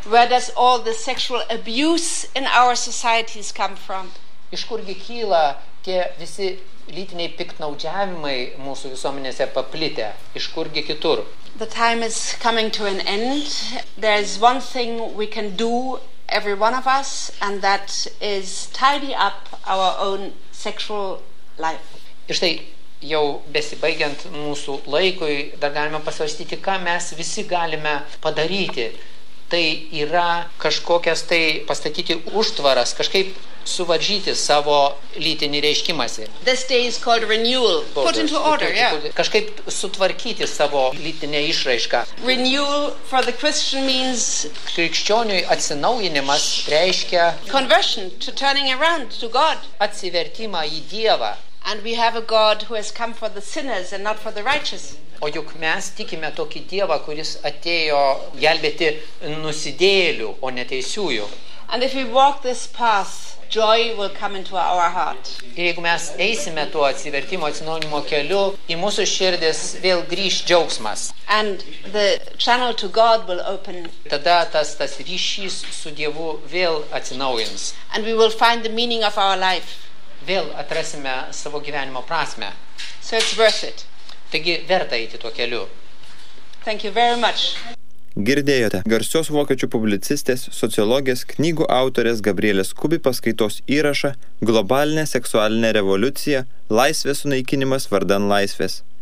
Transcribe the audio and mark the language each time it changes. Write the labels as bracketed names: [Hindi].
[English] Where does all the sexual abuse in our societies come from? [Lithuanian] Iš kurgi kyla tie visi lytiniai piktnaudžiavimai mūsų visuomenėse paplitę? Iš kurgi kitur? [English] The time is coming to an end. There is one thing we can do, every one of us, and that is tidy up our own sexual life. [Lithuanian] Ir štai, jau besibaigiant mūsų laikui, dar galime pasvarstyti, ką mes visi galime padaryti. Tai yra kažkokias tai pastatyti užtvaras, kažkaip suvaržyti savo lytinį reiškimąsi. [English] This day is called renewal. Put into order, yeah. [Lithuanian] Kažkaip sutvarkyti savo lytinę išraišką. [English] Renewal for the Christian means [Lithuanian] krikščioniui atsinaujinimas reiškia [English] conversion, to turning around to God. [Lithuanian] Atsivertimą į Dievą. [English] And we have a God who has come for the sinners and not for the righteous. [Lithuanian] O juk mes tikime tokį Dievą, kuris atėjo gelbėti nusidėlių, o ne teisiųjų. [English] And if we walk this path, joy will come into our heart. [Lithuanian] Ir jeigu mes eisime tuo atsivertimo, atsinaujinimo keliu, į mūsų širdis vėl grįš džiaugsmas. [English] And the channel to God will open. [Lithuanian] Tada tas ryšys su Dievu vėl atsinaujins. [English] And we will find the meaning of our life. [Lithuanian] Vėl atrasime savo gyvenimo prasmę. [English] So it's worth it. [Lithuanian] Taigi verta eiti tuo keliu. [English] Thank you very much. [Lithuanian] Girdėjote garsios vokiečių publicistės, sociologės, knygų autorės Gabrielės Kubi paskaitos įrašą Globalinė seksualinė revoliucija – laisvės sunaikinimas vardan laisvės.